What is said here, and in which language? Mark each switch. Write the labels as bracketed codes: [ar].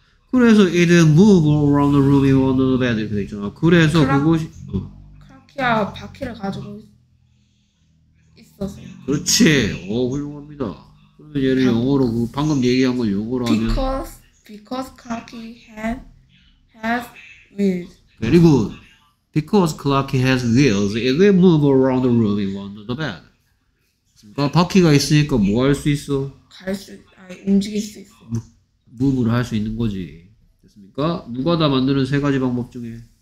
[ko] 그래서 [en] it move around the room in one of the bed [ko] 이렇게 있잖아. 그래서 그곳이. 크라키야 바퀴를 가지고 있었어. 그렇지. 오 훌륭합니다. 그러면 얘를 영어로 그 방금 얘기한 걸 영어로 하면. [en] Because Clarky has wheels. Very good. Because Clarky has wheels, it will move around the room in one of the bed. [ko] 그러니까 바퀴가 있으니까 뭐 할 수 있어? 움직일 수 있어. Move를 할 수 있는 거지. 됐습니까? 누가 다 만드는 세 가지 방법 중에?